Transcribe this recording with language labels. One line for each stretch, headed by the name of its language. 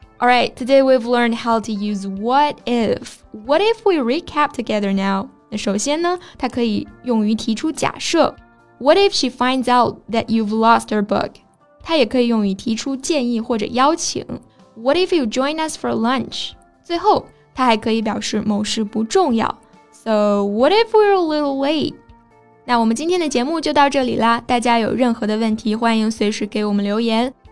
English: Alright, today we've learned how to use what if. What if we recap together now?
Chinese: 那首先呢，它可以用于提出假设。
English: What if she finds out that you've lost her book?
Chinese: 它也可以用于提出建议或者邀请。
English: What if you join us for lunch?
Chinese: 最后，它还可以表示某事不重要。
English: So what if we're a little late?
Chinese: 那我们今天的节目就到这里啦，大家有任何的问题，欢迎随时给我们留言。